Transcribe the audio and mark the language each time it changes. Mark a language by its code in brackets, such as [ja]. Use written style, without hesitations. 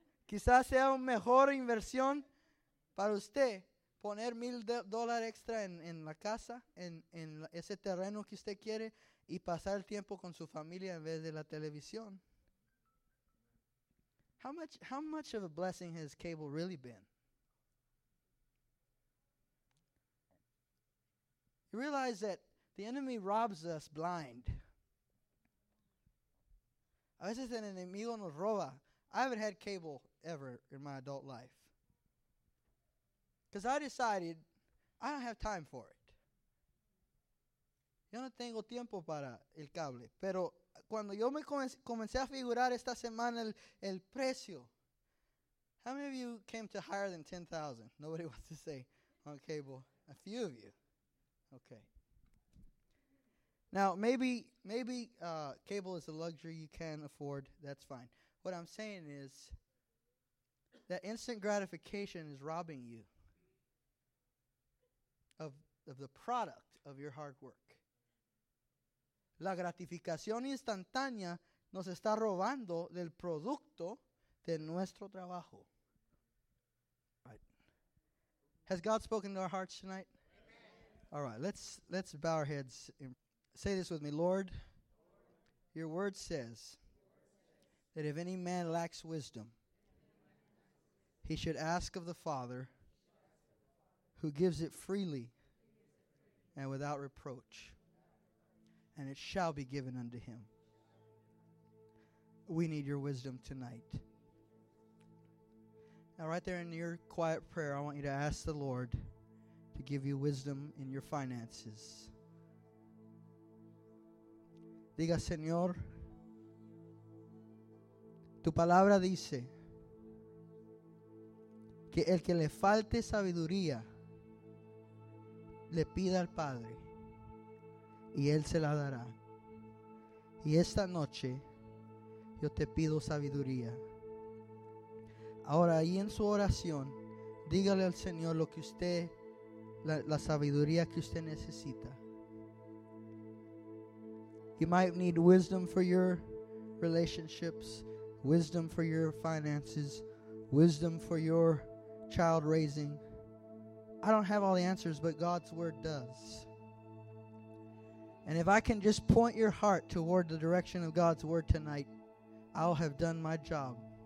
[es] Quizás sea una mejor inversión para usted poner $1,000 extra en la casa, en ese terreno que usted quiere, y pasar el tiempo con su familia en vez de la televisión. [en] How much of a blessing has cable really been? You realize that the enemy robs us blind. [es] A veces el enemigo nos roba. [en] I haven't had cable ever in my adult life. Because I decided I don't have time for it. [es] Yo no tengo tiempo para el cable. Pero cuando yo me comencé a figurar esta semana el precio. [en] How many of you came to higher than $10,000? Nobody wants to say on cable. A few of you. Okay. Now, maybe cable is a luxury you can afford. That's fine. What I'm saying is that instant gratification is robbing you of the product of your hard work. [es] La gratificación instantánea nos está robando del producto de nuestro trabajo. [en] Right. Has God spoken to our hearts tonight? Amen. All right, let's bow our heads in. Say this with me, Lord, your word says that if any man lacks wisdom, he should ask of the Father, who gives it freely and without reproach, and it shall be given unto him. We need your wisdom tonight. Now, right there in your quiet prayer, I want you to ask the Lord to give you wisdom in your finances. [es] Diga, Señor, tu palabra dice que el que le falte sabiduría le pida al Padre y Él se la dará. Y esta noche yo te pido sabiduría. Ahora ahí en su oración, dígale al Señor lo que usted, la sabiduría que usted necesita. [en] You might need wisdom for your relationships, wisdom for your finances, wisdom for your child raising. I don't have all the answers, but God's word does. And if I can just point your heart toward the direction of God's word tonight, I'll have done my job.